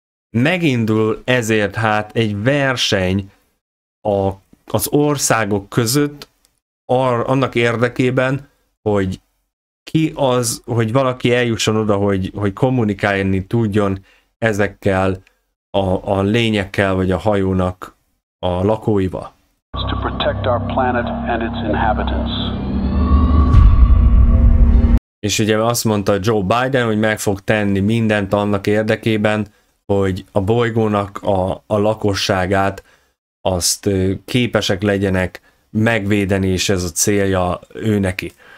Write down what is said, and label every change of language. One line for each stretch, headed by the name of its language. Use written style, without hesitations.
Hungarian: Megindul ezért hát egy verseny az országok között annak érdekében, hogy ki az, hogy valaki eljusson oda, hogy kommunikálni tudjon ezekkel a lényekkel, vagy a hajónak a lakóival.
English: To protect our planet and its inhabitants.
Hungarian: És ugye azt mondta Joe Biden, hogy meg fog tenni mindent annak érdekében, hogy a bolygónak a lakosságát azt képesek legyenek megvédeni, és ez a célja ő neki.